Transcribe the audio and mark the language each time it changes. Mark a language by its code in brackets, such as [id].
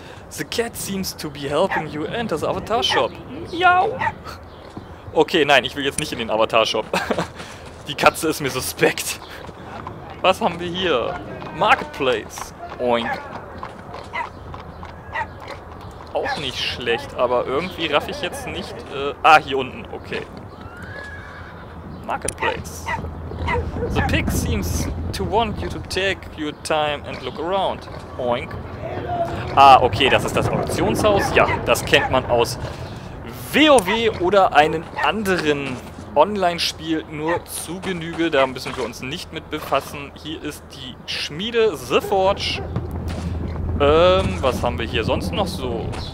[en] The cat seems to be helping you enter the Avatar Shop. Miau! [de] Okay, nein, ich will jetzt nicht in den Avatar Shop. Die Katze ist mir suspekt. Was haben wir hier? Marketplace. Oink. Auch nicht schlecht, aber irgendwie raff ich jetzt nicht. Hier unten. Okay. Marketplace. [en] The pig seems to want you to take your time and look around. [de] Oink. Ah, okay, das ist das Auktionshaus. Ja, das kennt man aus WoW oder einem anderen Online-Spiel. Nur zu Genüge, da müssen wir uns nicht mit befassen. Hier ist die Schmiede, The Forge. Was haben wir hier sonst noch so?